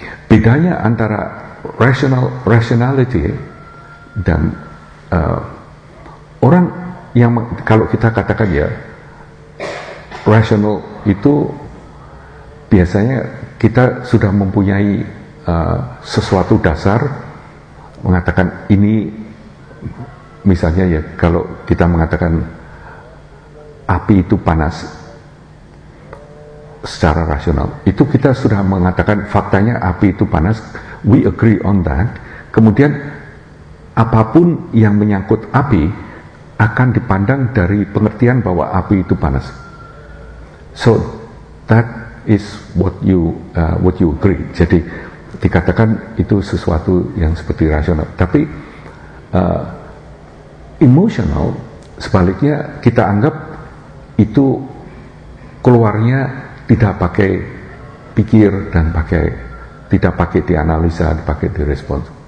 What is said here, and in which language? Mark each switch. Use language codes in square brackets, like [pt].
[id] Bedanya antara rationality dan orang yang kalau kita katakan ya rational itu biasanya kita sudah mempunyai sesuatu dasar mengatakan ini, misalnya ya kalau kita mengatakan api itu panas secara rasional, itu kita sudah mengatakan faktanya api itu panas, [en] we agree on that. [id] Kemudian apapun yang menyangkut api akan dipandang dari pengertian bahwa api itu panas. [en] So that is what you agree. [id] Jadi dikatakan itu sesuatu yang seperti rasional. Tapi emotional sebaliknya kita anggap itu keluarnya tidak pakai pikir dan pakai tidak pakai dianalisa, pakai direspons.